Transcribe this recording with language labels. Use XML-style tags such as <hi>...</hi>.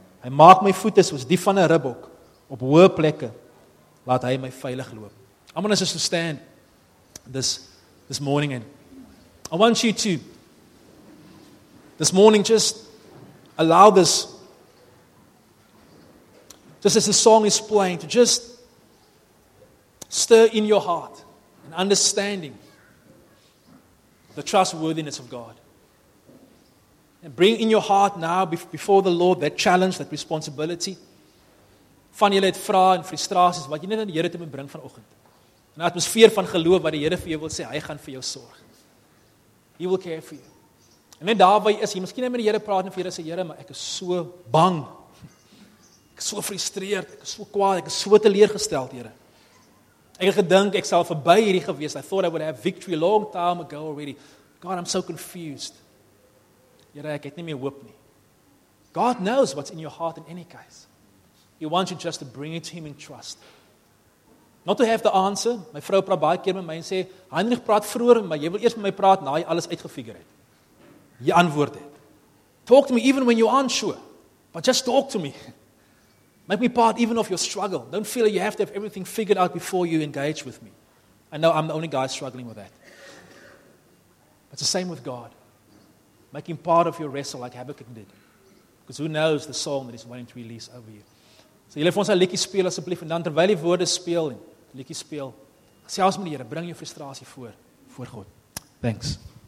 <af>Hy maak my voete soos die van 'n ribbok op hoë plekke. Laat hy my veilig loop.</af> <en>I'm going to stand this morning, and I want you to this morning just allow this, just as the song is playing, to just stir in your heart an understanding the trustworthiness of God. And bring in your heart now before the Lord that challenge, that responsibility.</en> <af>Van julle het vrae en frustrasies wat jy net aan die Here toe moet bring vanoggend. In 'n atmosfeer van geloof wat die Here vir jou wil sê, hy gaan vir jou sorg.</af> <en>He will care for you.</en> <af>En net daar waar jy is, jy miskien net met die Here praat en vir Here sê, Here, maar ek is so bang. Ek is so gefrustreerd, ek is so kwaad, ek is so teleurgesteld, Here. Ek het gedink ek sal verby hierdie gewees.</af> <en>I thought I would have victory a long time ago already. God, I'm so confused.</en> <af>Here, ek het nie meer hoop nie.</af> <en>God knows what's in your heart in any case. He wants you just to bring it to him in trust. Not to have the answer.</en> <af>My vrou praat baie keer met my en sê, Heinrich praat vroeër, maar jy wil eers met my praat na jy alles uitgefigure het. Jy antwoord het.</af> <en>Talk to me even when you're unsure. But just talk to me. Make me part even of your struggle. Don't feel like you have to have everything figured out before you engage with me. I know I'm the only guy struggling with that. But it's the same with God. Make him part of your wrestle like Habakkuk did. Because who knows the song that he's wanting to release over you.</en> <af>So jy lê vir ons 'n liedjie speel asseblief, en dan terwyl die woorde speel en liedjie speel, selfs met die Here, bring jou frustrasie voor God. Thanks.</af>